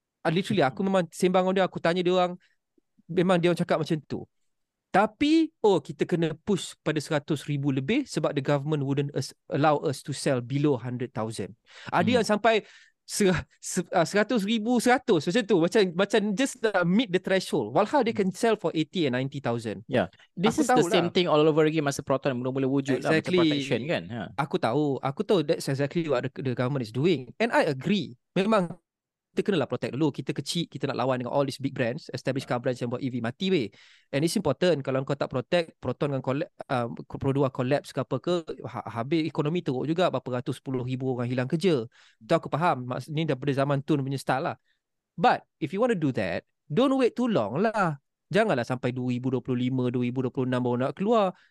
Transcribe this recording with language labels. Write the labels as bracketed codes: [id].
[ms] Literally, aku memang sembang dengan dia, aku tanya dia orang, memang dia orang cakap macam tu. Tapi, oh, kita kena push pada RM100,000 lebih sebab [en] the government wouldn't allow us to sell below 100,000. [ms] Ada yang sampai RM100,000 macam tu. [en] Macam just meet the threshold. Walhal, they can sell for 80 and 90,000. Yeah. This aku is the same lah thing all over again [ms] masa Proton mula-mula wujud. [en] Exactly. Lah, macam protection kan? Yeah. [ms] Aku tahu. Aku tahu [en] that's exactly what the government is doing. And I agree. [ms] Memang kita kena lah protect dulu. Kita kecil, kita nak lawan dengan [en] all these big brands, established car brands [ms] yang buat EV mati weh. [en] And it's important, [ms] kalau kau tak protect, Proton dengan Produa collapse ke apa ke, habis ekonomi teruk juga, berapa ratus 10,000 orang hilang kerja. Itu aku faham. Ini daripada zaman Tun punya style lah. [en] But if you want to do that, don't wait too long lah. [ms] Janganlah sampai 2025, 2026 baru nak keluar.